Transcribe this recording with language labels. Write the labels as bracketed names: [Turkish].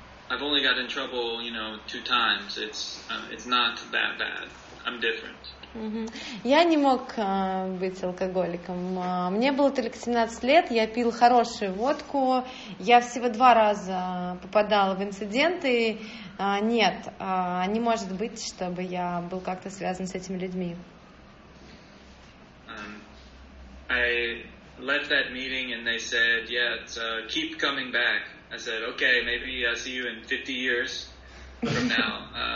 [English] I've only got in trouble, you know, two times. It's not that bad. I'm different. [Russian] Я не мог быть алкоголиком. Мне было только 17 лет, я пил хорошую водку. Я всего два раза попадала в инциденты. Нет, не может быть, чтобы я был как-то связан с этими людьми. [English] I left that meeting and they said, yeah, it's, keep coming back. I said, okay, maybe I'll see you in 50 years from now.